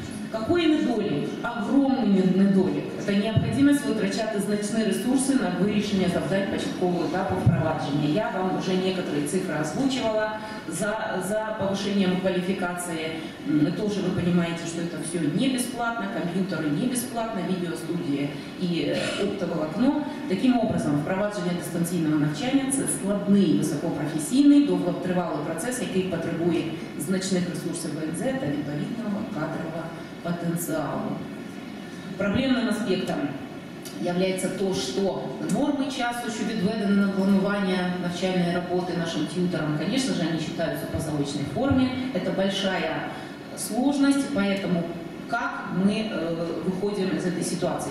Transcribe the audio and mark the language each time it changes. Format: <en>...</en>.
<ru>Какой недолик? Огромный недолик. Это необходимость вытрачать значительные ресурсы на вырешение задач початкового этапа впроваджения. Я вам уже некоторые цифры озвучивала за повышением квалификации. Тоже вы понимаете, что это все не бесплатно, компьютеры не бесплатно, видеостудии и оптоволокно. Таким образом,</ru> <uk>впроваджение дистанционного навчання – це складний, високопрофесійний, довготривалий процес, який потребує значних ресурсів ВНЗ та відповідного кадрового потенциалу.</uk> <ru>Проблемным аспектом является то, что нормы часу, что</ru> <uk>відведено на планування навчальної роботи нашим тьютерам,</uk> <ru>конечно же, они считаются по заочной форме. Это большая сложность, поэтому как мы выходим из этой ситуации?</ru>